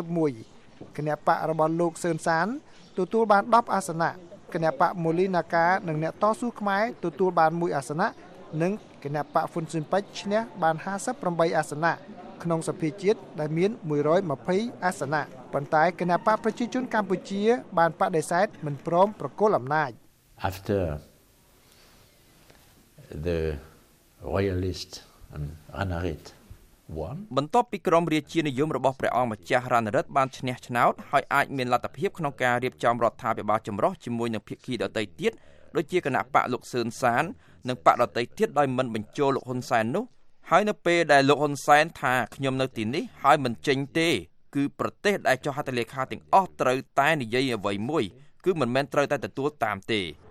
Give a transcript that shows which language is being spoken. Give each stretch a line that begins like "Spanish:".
Khmer: 51គណបក្សរបស់លោកស៊ឿនសានទទួលបាន10អាសនៈគណបក្សមូលីនាការនិងអ្នកតស៊ូខ្មែរទទួលបាន1អាសនៈនិងគណបក្សហ្វុនស៊ិនប៉ិចឈ្នះបាន58អាសនៈក្នុងសភាជាតិដែលមាន120អាសនៈប៉ុន្តែគណបក្សប្រជាជនកម្ពុជាបានបដិសេធមិនព្រមប្រគល់អំណាច
English: After the royalist and Ranarit won
Khmer: បន្ទាប់ពីក្រុមរាជានិយមរបស់ព្រះអង្គម្ចាស់ Ranarit បានឈ្នះឆ្នោតហើយអាចមានលទ្ធភាពក្នុងការរៀបចំរដ្ឋាភិបាលចម្រុះជាមួយនឹងភាគីដទៃទៀតដូចជាគណបក្សលោកស៊ឿនសាននិងបក្សដទៃទៀតដោយមិនបញ្ចូលលោកហ៊ុនសែននោះហើយនៅពេលដែលលោកហ៊ុនសែនថាខ្ញុំនៅទីនេះហើយមិនចេញទេគឺប្រទេសដែលចុះហត្ថលេខាទាំងអស់ត្រូវតែនិយាយអ្វីមួយគឺមិនមែនត្រូវតែទទួលតាមទេ